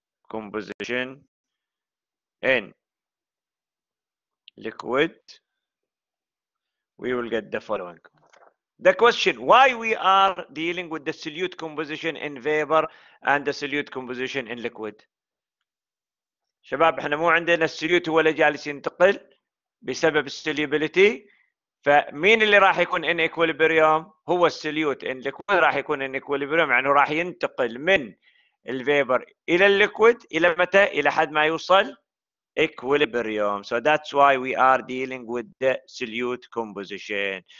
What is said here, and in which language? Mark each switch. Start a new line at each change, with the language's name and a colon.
English: composition in liquid, we will get the following. The question, why we are dealing with the solute composition in vapor and the solute composition in liquid?
Arabic: شباب احنا مو عندنا السوليوت هو اللي جالس ينتقل بسبب السوليبيليتي، فمين اللي راح يكون
English: in equilibrium؟
Arabic: هو السوليوت in liquid راح يكون in equilibrium، يعني راح ينتقل من الفيبر الى الليكويد. الى متى؟ الى حد ما يوصل equilibrium.
English: So that's why we are dealing with the solute composition.